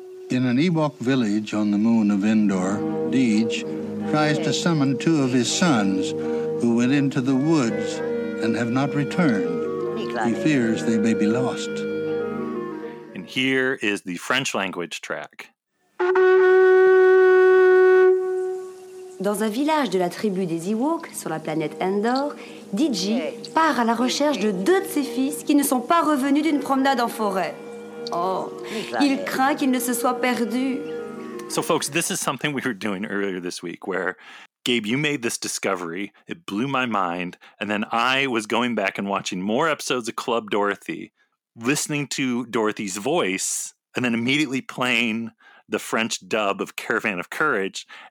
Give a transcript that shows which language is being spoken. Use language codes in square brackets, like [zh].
[en] In an Ewok village on the moon of Endor, Deej tries to summon two of his sons, who went into the woods and have not returned. He fears they may be lost. And here is the French language track. [fr] Dans un village de la tribu des Ewoks, sur la planète Endor, DJ part à la recherche de deux de ses fils qui ne sont pas revenus d'une promenade en forêt. Oh, il craint qu'ils ne se soient perdus. [en] So folks, this is something we were doing earlier this week where... Gabe, you made this discovery. It blew my mind. And then I was going back and watching more episodes of Club Dorothee, listening to Dorothee's voice, and then immediately playing the French dub of Caravan of Courage.